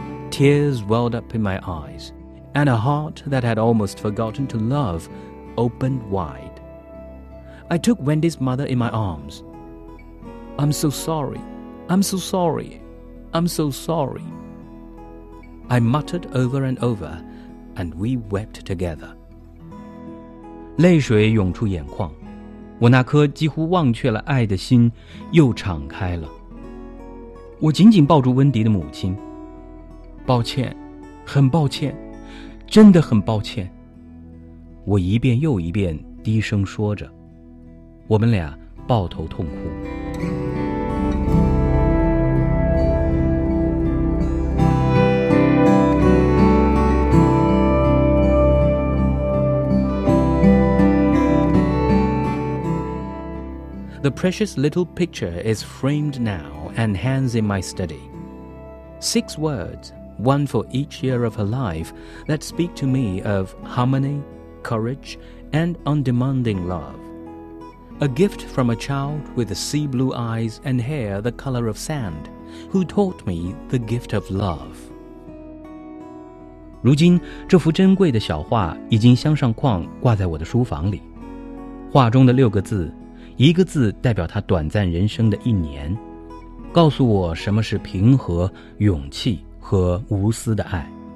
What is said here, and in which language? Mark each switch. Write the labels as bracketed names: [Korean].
[English] Tears welled up in my eyes, and a heart that had almost forgotten to love opened wide. I took Wendy's mother in my arms. I'm so sorry, I'm so sorry, I'm so sorry. I muttered over and over, and we wept together. [Chinese] 泪水涌出眼眶，我那颗几乎忘却了爱的心又敞开了。我紧紧抱住温迪的母亲，抱歉，很抱歉，真的很抱歉，我一遍又一遍低声说着，我们俩抱头痛哭。 [English] The precious little picture is framed now and hangs in my study. Six words. One for each year of her life that speak to me of harmony, courage, and undemanding love. A gift from a child with sea blue eyes and hair the color of sand, who taught me the gift of love. [Chinese] 如今，这幅珍贵的小画已经镶上框挂在我的书房里。画中的六个字，一个字代表她短暂人生的一年，告诉我什么是平和、勇气和无私的爱。